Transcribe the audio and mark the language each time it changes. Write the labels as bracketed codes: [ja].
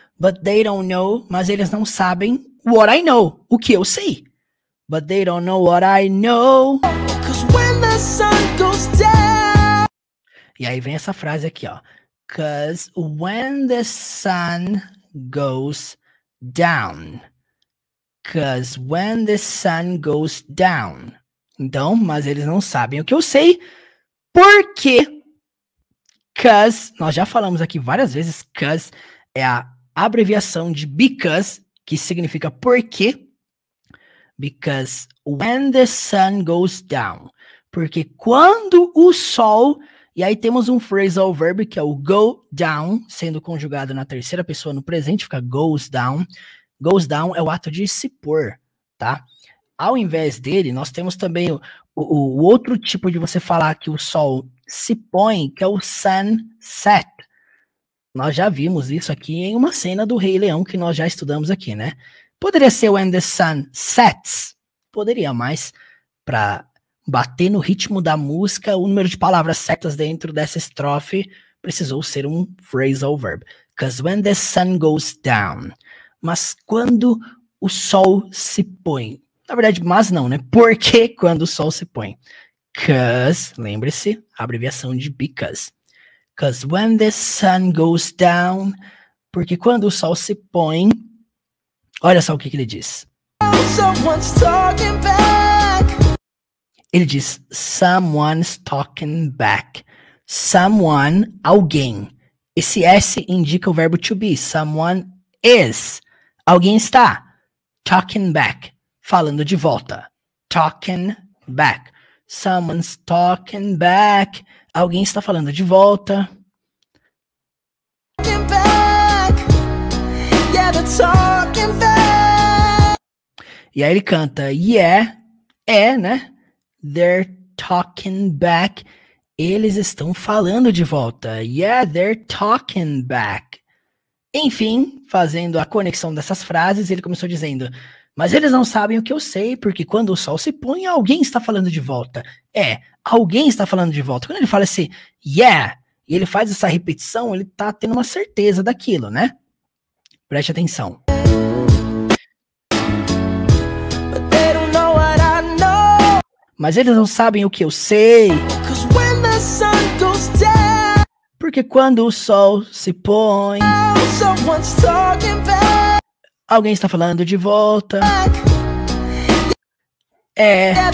[en] But they don't know, [pt] mas eles não sabem [en] what I know, [pt] o que eu sei. [en] But they don't know what I know. 'Cause when the sun goes down. [pt] E aí vem essa frase aqui, ó. [en] 'Cause when the sun goes down. 'Cause when the sun goes down. [pt] Então, mas eles não sabem o que eu sei. Por quê? Cause, nós já falamos aqui várias vezes, cause é a abreviação de because, que significa porque. [en] Because when the sun goes down. [pt] Porque quando o sol, e aí temos um phrasal verb que é o go down, sendo conjugado na terceira pessoa no presente, fica goes down. Goes down é o ato de se pôr, tá? Ao invés dele, nós temos também o outro tipo de você falar que o sol se põe, que é o sunset. Nós já vimos isso aqui em uma cena do Rei Leão que nós já estudamos aqui, né? Poderia ser [en] when the sun sets. [pt] Poderia, mas para bater no ritmo da música, o número de palavras certas dentro dessa estrofe precisou ser um phrasal verb. [en] 'Cause when the sun goes down. [pt] Mas quando o sol se põe. Na verdade, mas não, né? Por que quando o sol se põe? 'Cause, lembre-se, abreviação de because. [en] 'Cause when the sun goes down. [pt] Porque quando o sol se põe. Olha só o que ele diz. [en] Someone's talking back. [pt] Ele diz, [en] someone's talking back. Someone, alguém. [pt] Esse S indica o verbo to be. [en] Someone is. [pt] Alguém está. [en] Talking back. [pt] Falando de volta. [en] Talking back. Someone's talking back. [pt] Alguém está falando de volta. [en] Talking back. Yeah, they're talking back. [pt] E aí ele canta, yeah, é, né? [en] They're talking back. [pt] Eles estão falando de volta. [en] Yeah, they're talking back. [pt] Enfim, fazendo a conexão dessas frases, ele começou dizendo... Mas eles não sabem o que eu sei, porque quando o sol se põe, alguém está falando de volta. É, alguém está falando de volta. Quando ele fala assim, yeah, e ele faz essa repetição, ele está tendo uma certeza daquilo, né? Preste atenção. [en] But they don't know what I know. [pt] Mas eles não sabem o que eu sei. [en] 'Cause when the sun goes down. [pt] Porque quando o sol se põe... [en] Someone's talking back. [pt] Alguém está falando de volta. É.